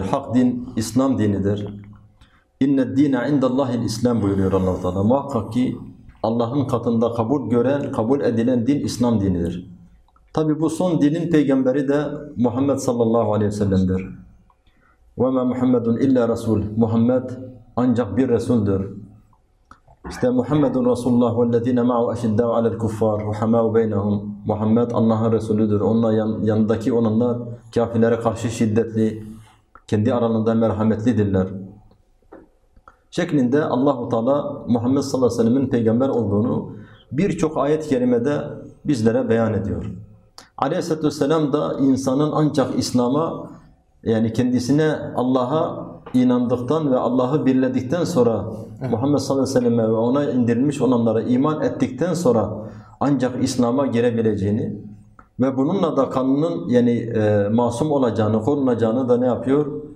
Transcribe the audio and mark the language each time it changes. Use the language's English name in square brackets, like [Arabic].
[Turkish] Hak din İslam dinidir. [Arabic] İnne dîne indallâhil İslam [Turkish] buyuruyor Allah-u Teala. Muhakkak ki Allah'ın katında kabul gören, kabul edilen din İslam dinidir. Tabi bu son dinin peygamberi de Muhammed sallallahu aleyhi ve sellem'dir. [Arabic] وَمَا مُحَمَّدٌ اِلَّا رَسُولٌ [Turkish] Muhammed ancak bir Resul'dür. İşte Muhammedun Resulullah [Arabic] وَالَّذِينَ مَعُوا اَشِدَّوْا عَلَى الْكُفَّارِ وَحَمَاوا بَيْنَهُمْ [Turkish] Muhammed Allah'ın Resulüdür. Onunla yanındaki olanlar kafirlere karşı şiddetli, kendi aralarında merhametlidirler şeklinde Allah-u Teala Muhammed sallallahu aleyhi ve sellem'in peygamber olduğunu birçok ayet-i kerimede bizlere beyan ediyor. Aleyhisselatü vesselam da insanın ancak İslam'a, yani kendisine Allah'a inandıktan ve Allah'ı birledikten sonra, evet, Muhammed sallallahu aleyhi ve sellem'e ve ona indirilmiş olanlara iman ettikten sonra ancak İslam'a girebileceğini ve bununla da kanının, yani masum olacağını, korunacağını da ne yapıyor?